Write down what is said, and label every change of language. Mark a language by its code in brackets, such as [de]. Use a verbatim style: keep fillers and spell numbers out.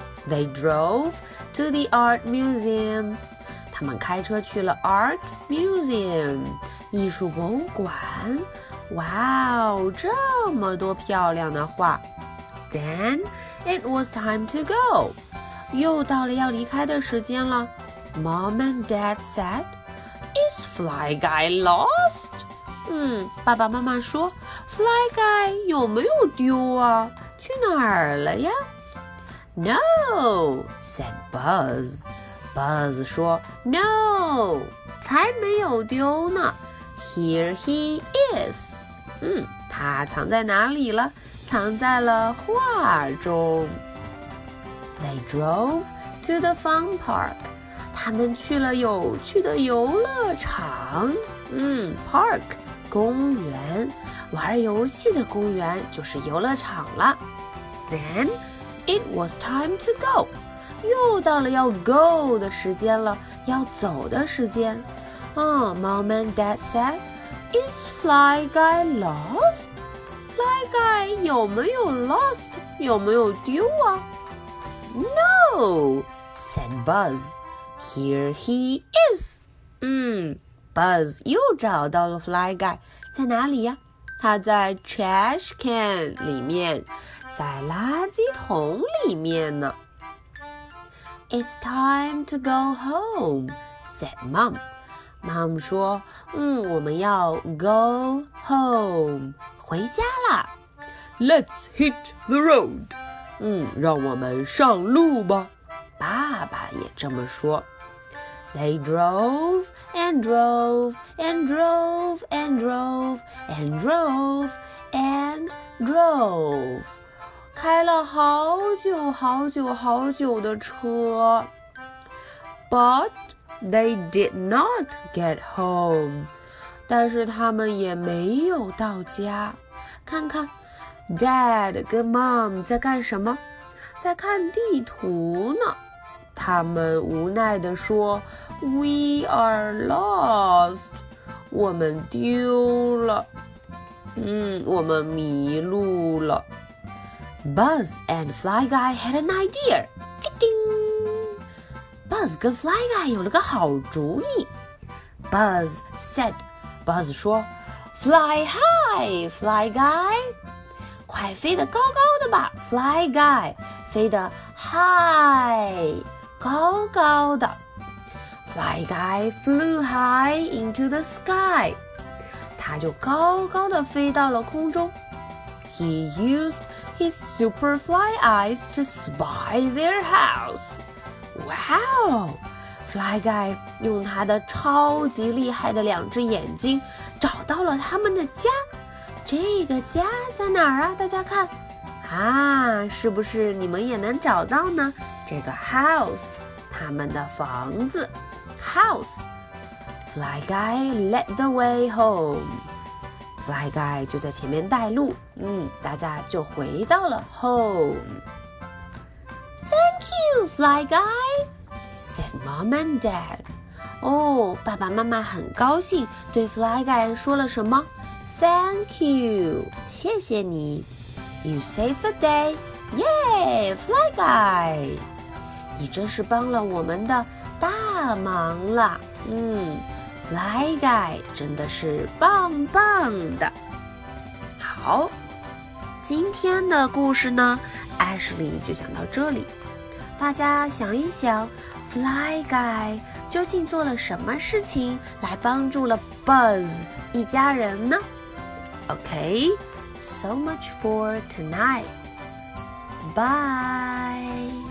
[en] They drove to the art museum。 [zh] 他们开车去了 art museum， 艺术博物馆。哇哦，这么多漂亮的画。 [en] Then it was time to go。 [zh] 又到了要离开的时间了。 [en] Mom and Dad said, "Is Fly Guy lost?" [zh] 嗯，爸爸妈妈说 ，Fly Guy 有没有丢啊？去哪儿了呀 ？ [en] No, said Buzz. [zh] Buzz 说 ，No， 才没有丢呢。 [en] Here he is. [zh] 嗯，他藏在哪里了？藏在了画中。 [en] They drove to the fun park. [zh] 他们去了有趣的游乐场。嗯 ，park 公园，玩游戏的公园就是游乐场了。 [en] Then it was time to go. [zh] 又到了要 go 的时间了，要走的时间。 [en] 啊 ，Mom and Dad said, "Is Fly Guy lost? [zh] Fly Guy 有没有 lost? 有没有丢啊？" [en] No, said Buzz. Here he is. [zh] 嗯 Buzz 又找到了 Fly Guy. 在哪里呀？他在 trash can 里面，在垃圾桶里面呢。 [en] It's time to go home, said Mom. [zh] Mom 说，嗯，我们要 [en] go home, [zh] 回家啦。 [en] Let's hit the road. [zh] 嗯，让我们上路吧。爸爸也这么说。 [en] They drove and drove and drove and drove and drove and drove. [zh] 开了好久好久好久的车。 [en] But they did not get home. [zh] 但是他们也没有到家。看看。 Dad 跟 Mom 在干什么？在看地图呢。他们无奈地说 [en] We are lost， [zh] 我们丢了，嗯，我们迷路了。 [en] Buzz and Fly Guy had an idea， [zh] 叮 Buzz 跟 Fly Guy 有了个好主意。 [en] Buzz said， [zh] Buzz 说 [en] Fly high Fly Guy， [zh] 快飞得高高的吧 [en] Fly Guy， [zh] 飞得 high 高高的。 [en] Fly Guy flew high into the sky， [zh] 他就高高的飞到了空中。 [en] He used his super fly eyes to spy their house。 [zh] Wow， Fly Guy 用他的超级厉害的两只眼睛找到了他们的家。这个家在哪儿啊？大家看啊，是不是你们也能找到呢？这个 house， 他们的房子 house。 [en] Fly Guy led the way home， [zh] Fly Guy 就在前面带路。嗯，大家就回到了 home。 [en] Thank you Fly Guy， said Mom and Dad。 [zh] 哦，爸爸妈妈很高兴对 Fly Guy 说了什么？ [en] Thank you， [zh] 谢谢你。 [en] You saved the day， Yay, Fly Guy， [zh] 你真是帮了我们的大忙了。嗯 ，Fly Guy 真的是棒棒的。好，今天的故事呢，艾什莉就讲到这里。大家想一想 ，Fly Guy 究竟做了什么事情来帮助了 Buzz 一家人呢？ [en] Okay, so much for tonight. Bye.